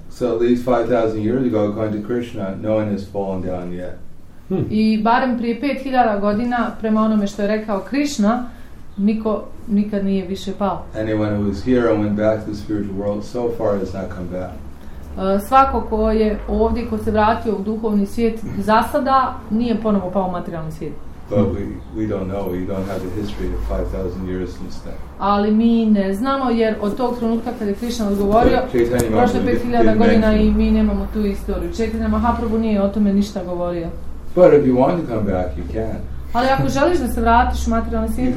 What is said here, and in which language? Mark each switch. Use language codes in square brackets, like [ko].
[en] So at least 5000 years ago according to Krishna, no one has fallen down yet. [hr] I barem prije 5000 godina prema onome što je rekao Krishna, niko nikad nije više pao. [en] Anyone who is here and went back to the spiritual world so far has not come back. [hr] Svako ko je ovdje, ko se vratio u duhovni svijet za sada, nije ponovo pao u materijalni svijet. [en] But we don't know, we don't have the history of 5000 years since then. [hr] Ali mi ne znamo, jer od tog trenutka kada je Krishna odgovorio, prošle 5000 godina i mi nemamo tu istoriju. Chaitanya Mahaprabhu nije o tome ništa govorio. [en] But if you want to come back, you can. [hr] Ali ako želiš da se vratiš u materijalni svijet,